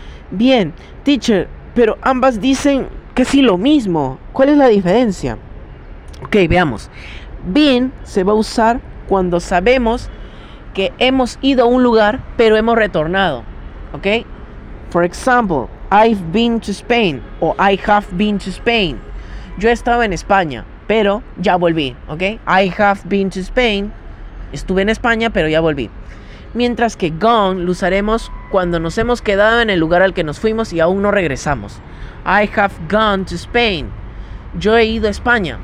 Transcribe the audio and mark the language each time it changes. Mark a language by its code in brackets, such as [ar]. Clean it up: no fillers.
[es] Bien, teacher, pero ambas dicen que sí lo mismo. ¿Cuál es la diferencia? Ok, veamos. Been se va a usar cuando sabemos que hemos ido a un lugar, pero hemos retornado. Ok. [en] For example, I've been to Spain o I have been to Spain. [es] Yo he estado en España, pero ya volví. Ok. [en] I have been to Spain. [es] Estuve en España, pero ya volví. Mientras que gone lo usaremos cuando nos hemos quedado en el lugar al que nos fuimos y aún no regresamos. [en] I have gone to Spain. [es] Yo he ido a España.